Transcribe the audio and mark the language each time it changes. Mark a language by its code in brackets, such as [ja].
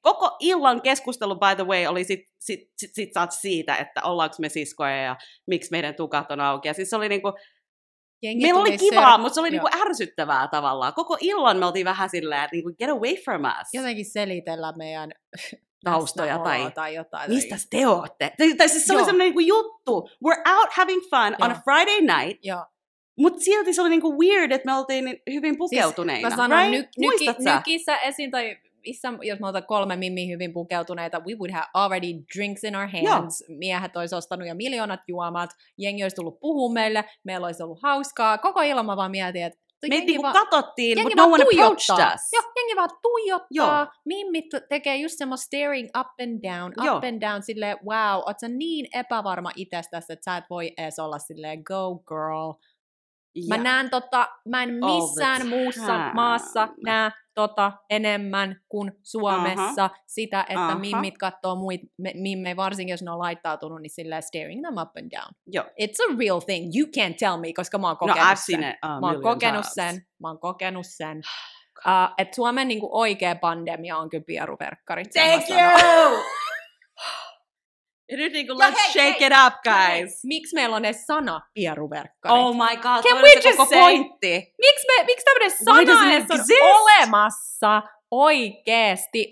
[fi] Koko illan keskustelu, by the way, oli sit saat siitä, että ollaanko me siskoja ja miksi meidän tukat on auki. Ja siis se oli niinku, meillä oli kivaa, mutta se oli niinku ärsyttävää tavallaan. Koko illan me oltiin vähän silleen, että niinku, [en] get away from us. [fi] Jotenkin selitellä meidän taustoja tai jotain. Mistä te ootte? Tai siis se oli semmoinen niinku juttu. [en] We're out having fun on a Friday night. [fi] Mutta silti se oli niinku weird, että me oltiin hyvin pukeutuneina. Siis mä sanon, nykissä esiin, tai missä, jos me oltaisiin kolme mimmiä hyvin pukeutuneita, [en] we would have already drinks in our hands. [fi] Joo. Miehet olisi ostanut jo miljoonat juomat, jengi olisi tullut puhumaan meille, meillä olisi ollut hauskaa. Koko ilma vaan mietin, että meitä niinku katsottiin, [en] but no one approached us. [fi] Joo, jengi vaan tuijottaa. Joo. Mimmit tekee just semmo [en] staring up and down, [fi] silleen, wow, oot sä niin epävarma itsestäsi, että sä et voi edes olla silleen, [en] go girl. [fi] Yeah. Mä näen mä en missään muussa maassa näe enemmän kuin Suomessa sitä, että mimmit kattoo muit mimmejä, varsinkin jos ne on laittautunut, niin silleen [en] staring them up and down. [fi] Joo. [en] It's a real thing, you can't tell me, [fi] koska mä oon kokenut sen. Että Suomen niinku oikea pandemia on kyllä pieruverkkarit. [en] Thank you! [fi] Nyt niinku, [en] let's shake it up, guys. [fi] Miksi meillä on edes sana pieruverkkarit? [en] Oh my god, can we just say, pointti. [fi] Miksi tämmönen sana edes on olemassa oikeesti?